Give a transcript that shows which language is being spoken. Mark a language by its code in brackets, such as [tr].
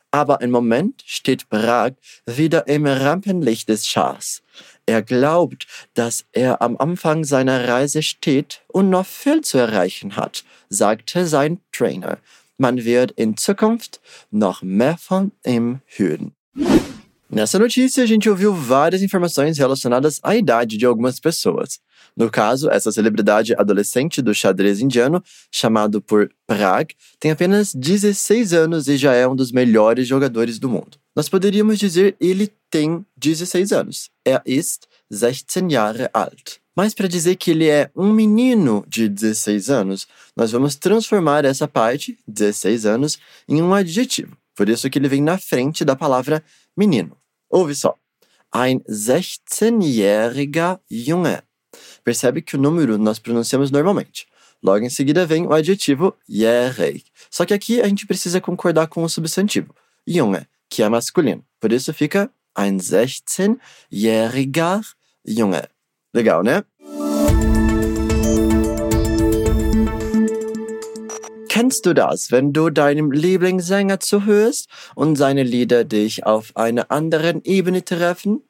[de] Aber im Moment steht Prag wieder im Rampenlicht des Schachs. Er glaubt, dass er am Anfang seiner Reise steht und noch viel zu erreichen hat, sagte sein Trainer. Man wird in Zukunft noch mehr von ihm hören. [pt] Nessa notícia, a gente ouviu várias informações relacionadas à idade de algumas pessoas. No caso, essa celebridade adolescente do xadrez indiano, chamado por Prag, tem apenas 16 anos e já é um dos melhores jogadores do mundo. Nós poderíamos dizer ele tem 16 anos. [de] Er ist 16 Jahre alt. [pt] Mas para dizer que ele é menino de 16 anos, nós vamos transformar essa parte, 16 anos, em adjetivo. Por isso que ele vem na frente da palavra menino. Ouve só. [de] Ein 16-jähriger Junge. [pt] Percebe que o número nós pronunciamos normalmente. Logo em seguida vem o adjetivo jährig. Só que aqui a gente precisa concordar com o substantivo Junge, que é masculino. Por isso fica [de] ein 16-jähriger Junge. [pt] Legal, né? [de] Kennst du das, wenn du deinem Lieblingssänger zuhörst und seine Lieder dich auf einer anderen Ebene treffen?